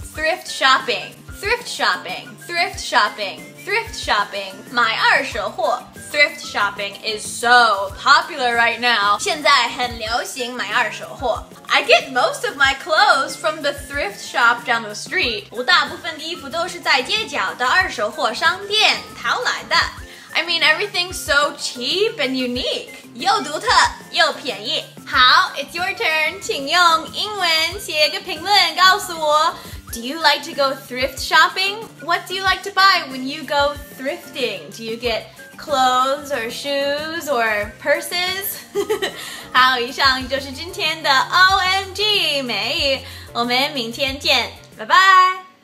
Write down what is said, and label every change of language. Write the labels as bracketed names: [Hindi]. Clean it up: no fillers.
[English] Thrift shopping, thrift shopping, thrift shopping, thrift shopping, [Chinese] 买二手货。 [English] Thrift shopping is so popular right now. [Chinese] 现在很流行买二手货。 [English] I get most of my clothes from the thrift shop down the street. [Chinese] 我大部分的衣服都是在街角的二手货商店淘来的。 [English] I mean, everything's so cheap and unique. [Chinese] 又独特又便宜。好 [English] it's your turn. [Chinese] 请用英文写个评论告诉我。 [English] Do you like to go thrift shopping? What do you like to buy when you go thrifting? Do you get... clothes or shoes or purses [Chinese] 好以上就是今天的 OMG 美语我们明天见拜拜